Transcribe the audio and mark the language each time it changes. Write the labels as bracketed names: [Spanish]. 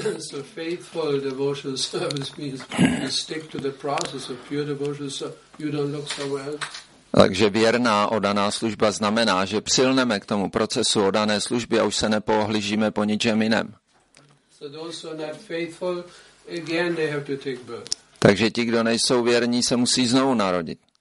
[English] So faithful devotional service means you stick to the process of pure devotion, so you don't look so well. [Czech] Takže věrná oddaná služba znamená, že přilneme k tomu procesu oddané služby a už se nepohlížíme po ničem jiném. [English] So those who are not faithful, again they have to take birth. [Czech] Takže ti, kdo nejsou věrní, se musí znovu narodit.